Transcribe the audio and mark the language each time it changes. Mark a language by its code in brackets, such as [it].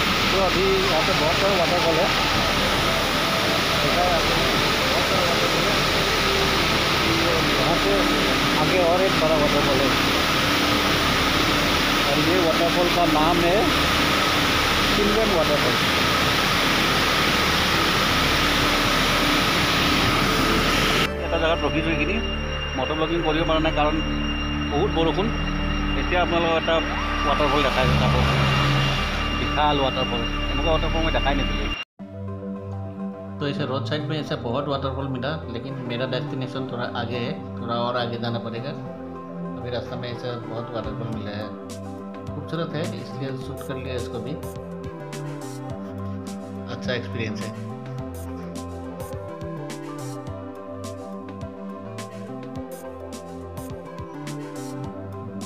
[hi] तो अभी यहाँ पे बहुत सारे वाटरफॉल है, यहाँ से आगे और एक बड़ा वाटरफॉल है, और ये वाटरफॉल का नाम है चिल्ड्रन वाटरफॉल। [as] জেগাত ৰখি থৈ কিনি মটৰ ব্লগিং কৰিব পৰা নাই, কাৰণ বহুত বৰষুণ, এতিয়া আপোনালোকক এটা ৱাটাৰফল দেখাই চাব, বিশাল ৱাটাৰফল, এনেকুৱা ৱাটাৰফল মই দেখাই নাছিলোঁ। [hi] तो ऐसे रोड साइड में ऐसे बहुत वाटरफॉल मिला, लेकिन मेरा डेस्टिनेशन थोड़ा आगे है, थोड़ा और आगे जाना पड़ेगा, अभी रास्ता में ऐसे बहुत वाटरफॉल मिला है, खूबसूरत है, इसलिए शूट कर लिया इसको भी, अच्छा एक्सपीरियंस है।